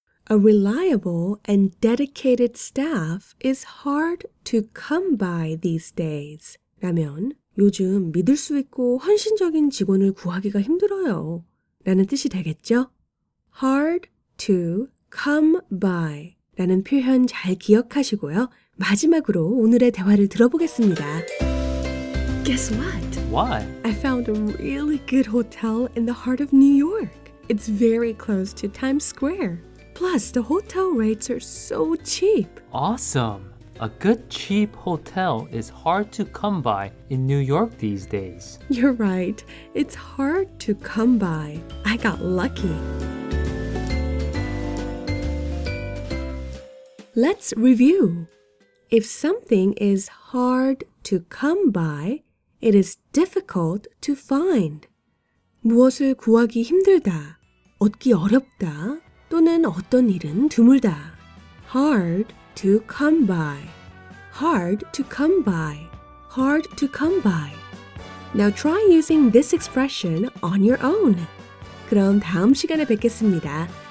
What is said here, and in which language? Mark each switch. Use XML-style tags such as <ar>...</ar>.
<en>A reliable and dedicated staff is hard to come by these days.</en> <ko>라면 요즘 믿을 수 있고 헌신적인 직원을 구하기가 힘들어요. 라는 뜻이 되겠죠?</ko> <en>Hard to come by</en> <ko>라는 표현 잘 기억하시고요. 마지막으로 오늘의 대화를 들어보겠습니다.</ko> <en>Guess what? What? I found a really good hotel in the heart of New York. It's very close to Times Square. Plus, the hotel rates are so cheap. Awesome! A good cheap hotel is hard to come by in New York these days. You're right. It's hard to come by. I got lucky. Let's review. If something is hard to come by, it is difficult to find.</en> <ko>무엇을 구하기 힘들다, 얻기 어렵다, 또는 어떤 일은 드물다.</ko> <en>Hard to come by. Hard to come by. Hard to come by. Now try using this expression on your own.</en> <ko>그럼 다음 시간에 뵙겠습니다.</ko>